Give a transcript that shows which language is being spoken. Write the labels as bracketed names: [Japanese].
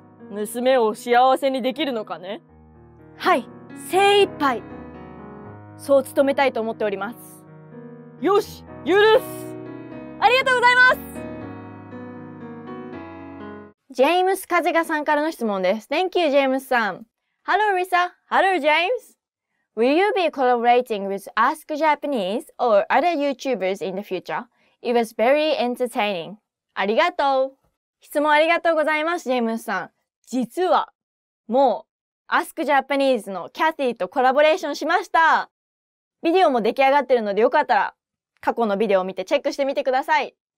[Japanese] 娘を幸せにできるのかね？はい、精一杯。そう努めたいと思っております。よし、許す！ありがとうございます！ジェームス・カゼガさんからの質問です。 [English] Thank you, James さん。Hello, Risa. Hello, James. Will you be collaborating with Ask Japanese or other YouTubers in the future? It was very entertaining. [Japanese] ありがとう。質問ありがとうございます、ジェームスさん。実は、もう、Ask Japanese のキャティとコラボレーションしました。ビデオも出来上がってるので、よかったら、過去のビデオを見てチェックしてみてください。